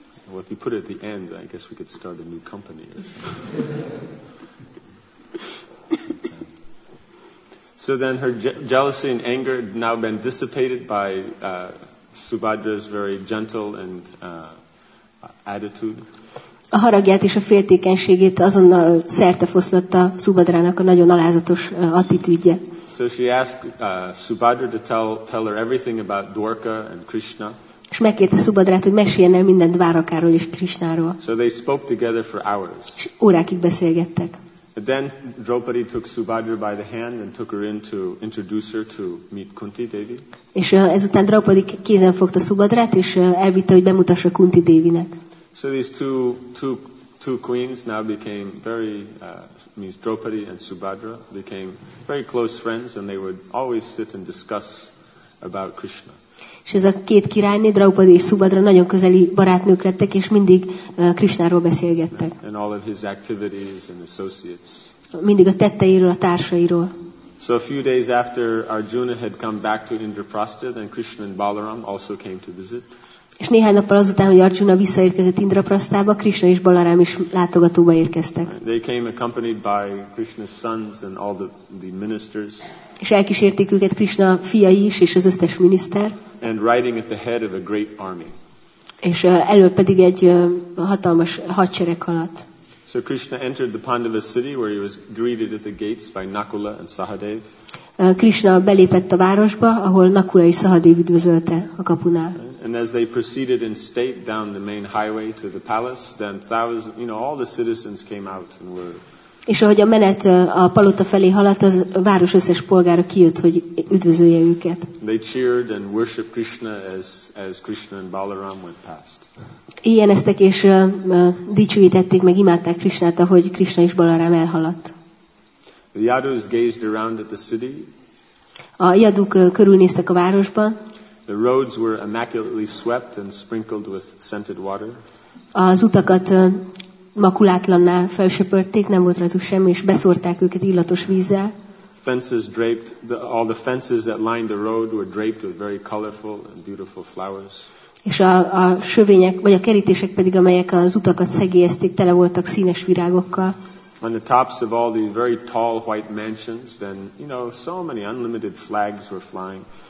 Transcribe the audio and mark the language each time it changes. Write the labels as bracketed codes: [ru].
[en] Well, if you put it at the end, I guess we could start a new company or something. So then her jealousy and anger had now been dissipated by Subhadra's very gentle and attitude. [hu] A haragját és a féltékenységét azonnal szertefoszlatta Subhadrának a nagyon alázatos attitűdje. [en] So she asked Subhadra to tell her everything about Dwarka and Krishna. [hu] És megkérte Subhadrát, hogy meséljen el mindent Dwarakáról és Krishnáról. [en] So they spoke together for hours. [hu] És órákig beszélgettek. [en] But then Draupadi took Subhadra by the hand and took her in to introduce her to meet Kunti Devi. [hu] És ezután Draupadi kézen fogta Subhadrát és elvitte, hogy bemutassa Kunti Devinek. [en] So these two queens now became very means Draupadi and Subhadra became very close friends and they would always sit and discuss about Krishna. [hu] És ez a két királyné, Draupadi és Subhadra nagyon közeli barátnők lettek és mindig Krishnáról beszélgettek. [en] And all of his activities and associates. [hu] Mindig a tetteiről, a társairól. [en] So a few days after Arjuna had come back to Indraprastha, then Krishna and Balaram also came to visit. [hu] És néhány nappal azután, hogy Arjuna visszaérkezett Indraprasztába, Krishna és Balaram is látogatóba érkeztek. [en] They came accompanied by Krishna's sons and all the ministers. [hu] És elkísérték őket Krishna fiai is és az összes miniszter. [en] And riding at the head of a great army. [hu] És elől pedig egy hatalmas hadsereg haladt. [en] So Krishna entered the Pandava city where he was greeted at the gates by Nakula and Sahadev. [hu] Krishna belépett a városba, ahol Nakula és Sahadev üdvözölte a kapunál. [en] And as they proceeded in state down the main highway to the palace, then thousands, you know, all the citizens came out and were. [hu] És ahogy a menet a palota felé haladt, a város összes polgára kijött, hogy üdvözölje őket. [en] They cheered and worshiped Krishna as Krishna and Balaram went past. [hu] Éjjeneztek és dicsőítették meg, imádták Krishnát, ahogy Krishna és Balaram elhaladt. [en] The Yadus gazed around at the city. [hu] A Yaduk körülnéztek a városban. [en] The roads were immaculately swept and sprinkled with scented water. [hu] Az utakat makulátlanná felsöpörték, nem volt rajtuk semmi, és beszórták őket illatos vízzel. [en] Fences draped, all the fences that lined the road were draped with very colorful and beautiful flowers. [hu] És a sövények, vagy a kerítések pedig, amelyek az utakat szegélyezték, tele voltak színes virágokkal. [en] On the tops of all the very tall white mansions, then, you know, so many unlimited flags were flying.